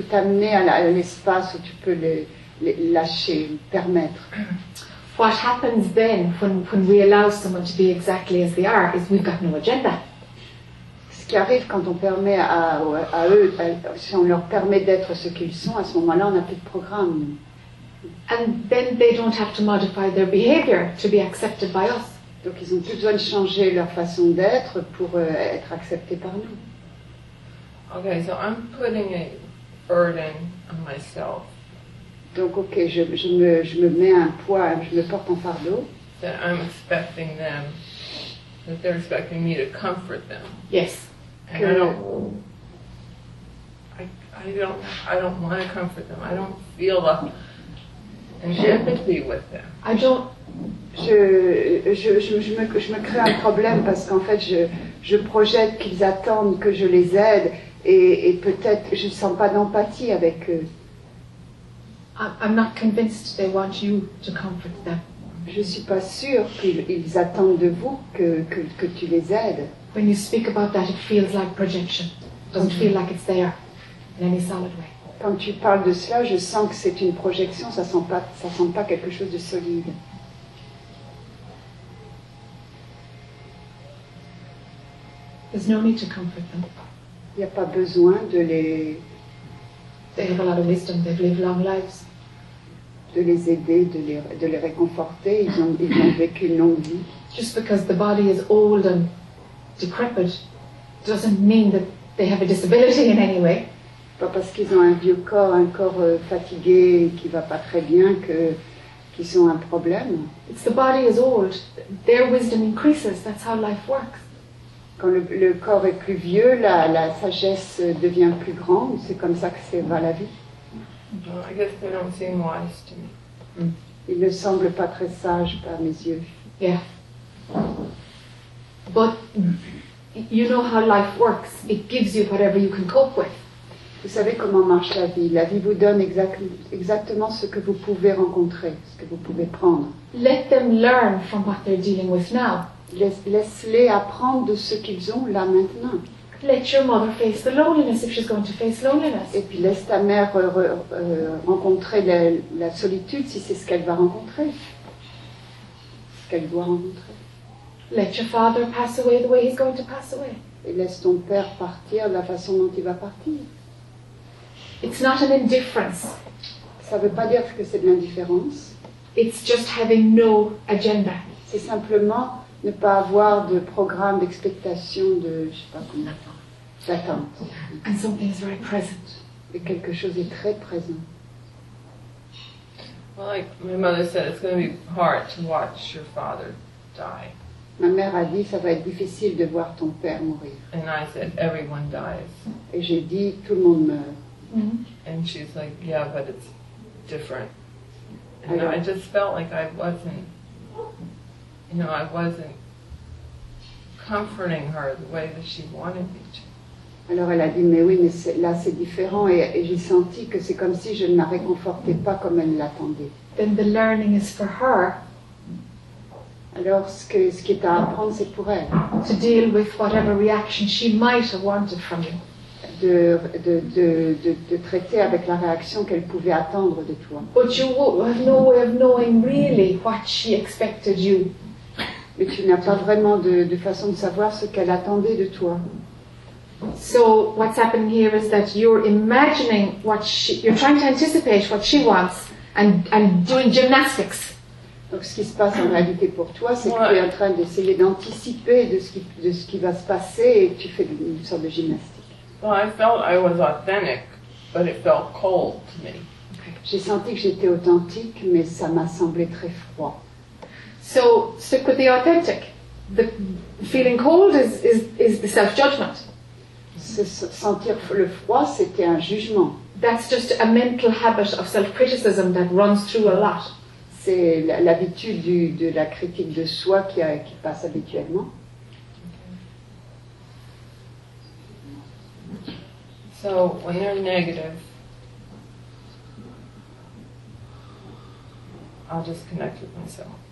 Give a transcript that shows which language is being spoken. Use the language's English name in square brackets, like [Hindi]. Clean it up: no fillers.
[French] t'amener à l'espace où tu peux les lâcher, permettre. [English] What happens then when we allow someone to be exactly as they are is we've got no agenda. [French] Ce qui arrive quand on permet à eux, si on leur permet d'être ce qu'ils sont, à ce moment-là, on n'a plus de programme. [English] And then they don't have to modify their behavior to be accepted by us. [French] Donc ils n'ont plus besoin de changer leur façon d'être pour être acceptés par nous. [English] Okay, so I'm putting a burden on myself. [French] Donc, ok, je me mets un poids, je me porte un fardeau. [English] That I'm expecting them, that they're expecting me to comfort them. Yes. And I don't want to comfort them. I don't feel empathy with them. I don't. [French] Je me crée un problème parce qu'en fait je projette qu'ils attendent que je les aide et peut-être je ne sens pas d'empathie avec eux. [English] I'm not convinced they want you to comfort them. [French] Je ne suis pas sûre qu'ils attendent de vous que tu les aides. [English] When you speak about that, it feels like projection. It doesn't feel like it's there in any solid way. [French] Quand tu parles de cela, je sens que c'est une projection, ça ne sent pas quelque chose de solide. [English] There's no need to comfort them. [French] Il n'y a pas besoin de les. [English] They have a lot of wisdom. They've lived long lives. [French] De les aider, de les réconforter. Ils ont vécu une longue vie. [English] Just because the body is old and decrepit doesn't mean that they have a disability in any way. [French] Pas parce qu'ils ont un vieux corps, un corps fatigué qui va pas très bien, qu'ils sont un problème. [English] It's the body is old. Their wisdom increases. That's how life works. [French] Quand le corps est plus vieux, la sagesse devient plus grande. C'est comme ça que va la vie. [English] Well, I guess they don't seem wise to me. [French] Ils ne semblent pas très sages par mes yeux. [English] Yeah. But you know how life works. It gives you whatever you can cope with. [French] Vous savez comment marche la vie. La vie vous donne exactement ce que vous pouvez rencontrer, ce que vous pouvez prendre. [English] Let them learn from what they're dealing with now. [French] Laisse-les apprendre de ce qu'ils ont là maintenant. [English] Let your mother face the loneliness if she's going to face loneliness. [French] Et puis laisse ta mère rencontrer la solitude si c'est ce qu'elle va rencontrer. Ce qu'elle doit rencontrer. [English] Let your father pass away the way he's going to pass away. [French] Et laisse ton père partir de la façon dont il va partir. [English] It's not an indifference. [French] Ça ne veut pas dire que c'est de l'indifférence. [English] It's just having no agenda. [French] C'est simplement ne pas avoir de programme d'expectation de, je sais pas comment, d'attente. [English] And something is very present. [French] Et quelque chose est très présent. [English] Well, like my mother said, it's going to be hard to watch your father die. [French] Ma mère a dit, ça va être difficile de voir ton père mourir. [English] And I said, everyone dies. [French] Et j'ai dit, tout le monde meurt. [English] Mm-hmm. And she's like, yeah, but it's different. And I just felt like I wasn't. You know, I wasn't comforting her the way that she wanted me to. [French] Alors elle a dit, mais oui, mais là c'est différent, et j'ai senti que c'est comme si je ne la réconfortais pas comme elle l'attendait. [English] Then the learning is for her. [French] Alors ce qui est à apprendre, c'est pour elle. [English] To deal with whatever reaction she might have wanted from you. [French] De traiter avec la réaction qu'elle pouvait attendre de toi. [English] But you have no way of knowing really what she expected you. [French] Mais tu n'as pas vraiment de façon de savoir ce qu'elle attendait de toi. [English] So what's happening here is that you're imagining what she, you're trying to anticipate what she wants and doing gymnastics. [French] Donc ce qui se passe en réalité pour toi, c'est que tu es en train d'essayer d'anticiper de ce qui va se passer et tu fais une sorte de gymnastique. [English] Well, I felt I was authentic, but it felt cold to me. [French] J'ai senti que j'étais authentique, mais ça m'a semblé très froid. [English] So, stick with the authentic. The feeling cold is the self-judgment. [French] Sentir le froid, c'était un jugement. [English] That's just a mental habit of self-criticism that runs through a lot. [French] C'est l'habitude de la critique de soi qui passe habituellement. [English] So, when they're negative, I'll just connect with myself.